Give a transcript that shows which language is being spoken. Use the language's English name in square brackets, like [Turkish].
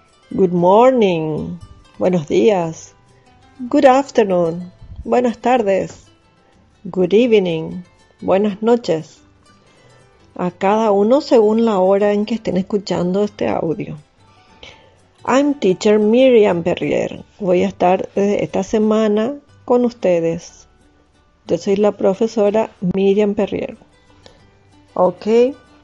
[English] Good morning, [Spanish] buenos días. [English] Good afternoon, [Spanish] buenas tardes. [English] Good evening, [Spanish] buenas noches. A cada uno según la hora en que estén escuchando este audio. [English] I'm teacher Miriam Perrier. [Spanish] Voy a estar esta semana con ustedes. Yo soy la profesora Miriam Perrier. Okay.